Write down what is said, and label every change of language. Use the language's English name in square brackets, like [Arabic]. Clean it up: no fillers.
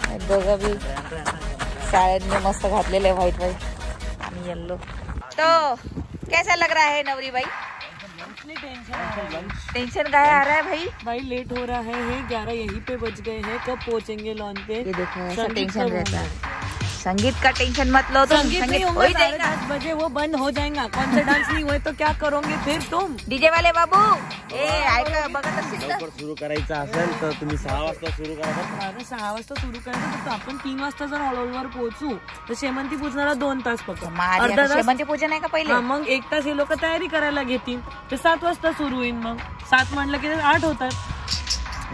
[Marathi] बघा बी साड्यांनी मस्त घातलेले आहे, व्हाईट व्हाईट आणि येल्लो। [Hindi] तो कैसा लग रहा है नवरी भाई? टेंशन काय आ रहा है भाई? भाई लेट हो रहा है, 11 यही पे बज गए हैं, कब पहुंचेंगे लॉन पे? ये देखो ऐसा टेंशन रहता है। संगीत का टेंशन मत लो, तो संगीत हो ही जाएगा 10 बजे, वो बंद हो जाएगा। कौन सा डांस नहीं हुए तो क्या करोगे फिर तुम? डीजे वाले बाबू [Marathi] ए आयका बघत असेल, लवकर सुरू करायचं असेल तर तुम्ही 6 सुरू करा। अरे 6 सुरू करायचं तर आपण 3 जर ऑल ओव्हर पोहोचू तर शेमंती पूजनाला 2 फक्त, शेमंती पूजन नाही का पहिले? मग 1 हे लोक तयारी करायला घेतील तर 7 सुरू होईल, मग 7 म्हणलं की 8 होतात।